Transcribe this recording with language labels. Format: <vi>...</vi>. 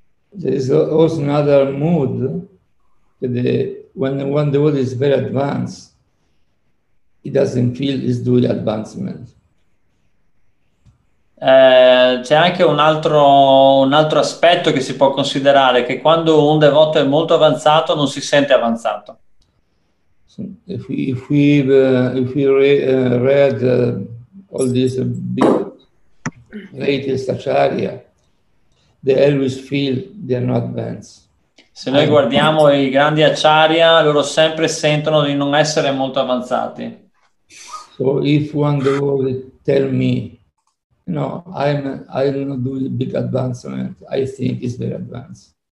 <en>There is also another mood that when one devotee is very advanced, he doesn't feel he's doing advancement.</en> <it>C'è anche un altro aspetto che si può considerare, che quando un devoto è molto avanzato non si sente avanzato.</it> <en>So if we read all these big greatest acharya, they always feel they are not advanced.</en> <it>Se noi guardiamo i grandi acharya, loro sempre sentono di non essere molto avanzati.</it> <en>So if one devotee tell me, no, I do not do the big advancement. I think it's very advanced.</en>